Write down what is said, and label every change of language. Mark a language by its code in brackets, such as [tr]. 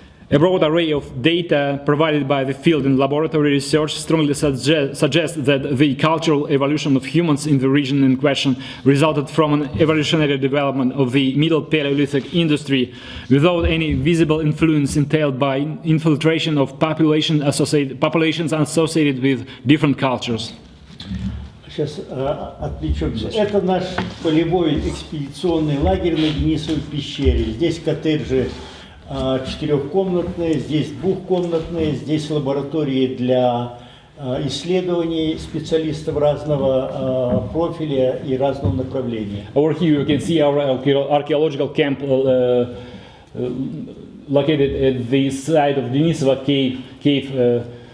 [en] A broad array of data provided by the field and laboratory research strongly suggests that the cultural evolution of humans in the region in question resulted from an evolutionary development of the Middle Paleolithic industry without any visible influence entailed by infiltration of populations associated with different cultures. [ru] Сейчас отвлечемся. Это наш полевой экспедиционный лагерь на Денисовой пещере. Здесь коттеджи четырехкомнатные, здесь двухкомнатные, здесь лаборатории для исследований специалистов разного профиля и разного направления. [en] Over here you can see our archaeological camp located at the side of Denisova Cave.